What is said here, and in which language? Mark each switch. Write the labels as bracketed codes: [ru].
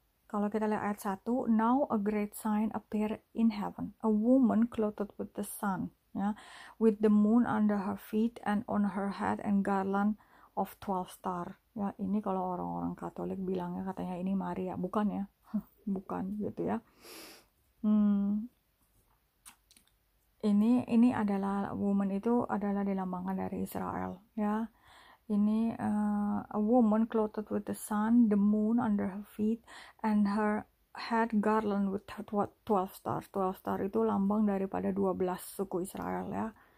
[id] Kalau kita lihat ayat 1, [en] now a great sign appear in heaven, a woman clothed with the sun, ya, with the moon under her feet and on her head and garland of 12 star. [id] Ya, ini kalau orang-orang Katolik bilangnya katanya ini Maria, bukan ya? Bukan gitu ya. Ini adalah woman itu adalah dilambangkan dari Israel, ya. [en] Ini a woman clothed with the sun, the moon under her feet, and her head garland with 12 stars. [id] 12 stars itu lambang daripada 12 suku Israel ya.